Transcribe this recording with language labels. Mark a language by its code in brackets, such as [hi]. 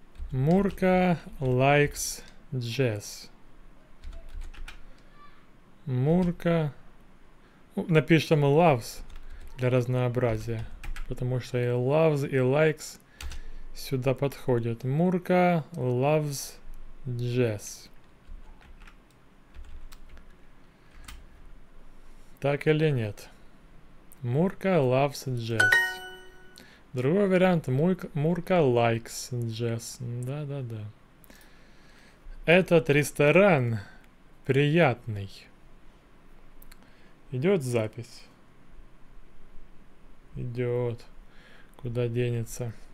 [en] Мурка likes jazz. [ru] Мурка. Напишем loves для разнообразия. Потому что и loves, и likes сюда подходит. [en] Мурка loves jazz. [ru] Так или нет? [en] Мурка loves jazz. [ru] Другой вариант. [en] Мурка likes jazz. [ru] Да-да-да. Этот ресторан приятный. Идет запись. Идет. Куда денется?